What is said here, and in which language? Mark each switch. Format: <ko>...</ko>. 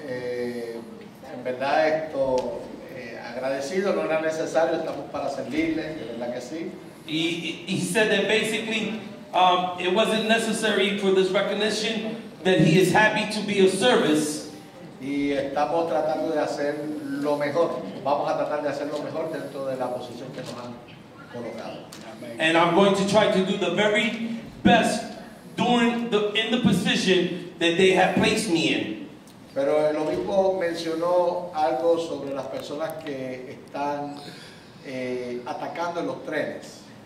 <es>En verdad esto, agradecido, no era necesario, estamos para servirle, de verdad que sí.</es> <en>He said that basically it wasn't necessary for this recognition, that he is happy to be of service.</en> <es>Y estamos tratando de hacer lo mejor. Vamos a tratar de hacer lo mejor dentro de la posición que nos han colocado.</es> <en>And I'm going to try to do the very best during the in the position that they have placed me in.</en> <es>Pero el obispo mencionó algo sobre las personas que están atacando los trenes.</es>